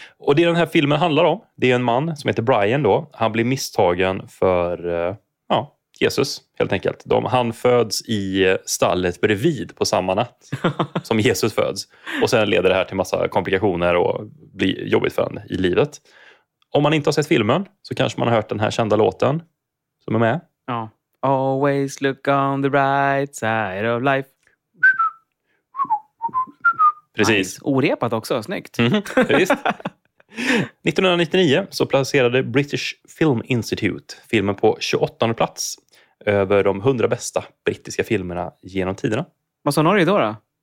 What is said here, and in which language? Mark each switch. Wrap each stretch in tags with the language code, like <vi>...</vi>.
<sv>Och det den här filmen handlar om, det är en man som heter Brian då. Han blir misstagen för Jesus, helt enkelt. Han föds i stallet bredvid på samma natt som Jesus föds. Och sen leder det här till massa komplikationer och blir jobbigt för en i livet. Om man inte har sett filmen så kanske man har hört den här kända låten som är med. Ja.</sv> <en>Always look on the bright side of life.</en> <sv>Precis. Nice. Orepat också, snyggt. Mm-hmm. Visst. 1999 så placerade British Film Institute filmen på 28:e plats över de 100 bästa brittiska filmerna genom tiderna. Vad sa Norge då?</sv>